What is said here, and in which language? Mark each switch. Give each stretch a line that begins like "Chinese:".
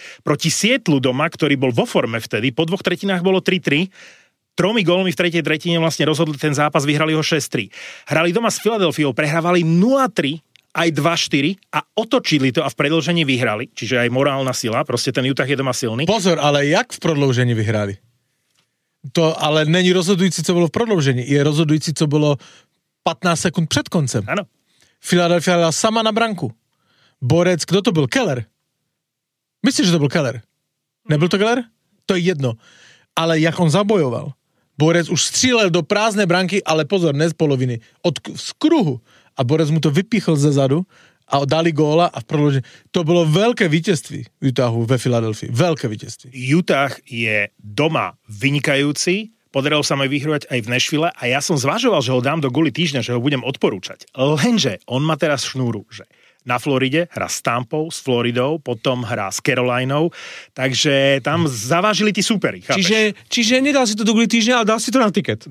Slovak: Proti Sietlu doma, ktorý bol vo forme vtedy, po dvoch tretinách bolo 3-3. Tromi gólmi v tretej tretine vlastne rozhodli ten zápas, vyhrali ho 6-3. Hrali doma s Filadelfiou, prehrávali 0-3, aj 2-4 a otočili to a v predĺžení vyhrali. Čiže aj morálna sila, proste ten Utah je doma silný. Pozor, ale jak v predĺžení vyhrali?
Czech: To ale není rozhodující, co bylo v prodloužení. Je rozhodující, co bylo 15 sekund před koncem. Ano. Philadelphia dala sama na branku. Borec, kdo to byl? Keller. Myslíš, že to byl Keller? Nebyl to Keller? To je jedno. Ale jak on zabojoval? Borec už střílel do prázdné branky, ale pozor, ne z poloviny. Z kruhu. A Borec mu to vypíchl ze zadu a dali góla a v prodloužení. To bylo velké vítězství Utahu ve Filadelfii. Velké vítězství. Utah je doma vynikající.
Slovak: Podarilo sa mi vyhrať aj v Nashville a ja som zvažoval, že ho dám do guli týždňa, že ho budem odporúčať. Lenže on má teraz šnúru, že na Floride hrá s Tampou, s Floridou, potom hrá s Carolinou, takže tam zavážili tí súperi, chápeš? Čiže nedal si to do guli týždňa, ale dal si to na tiket.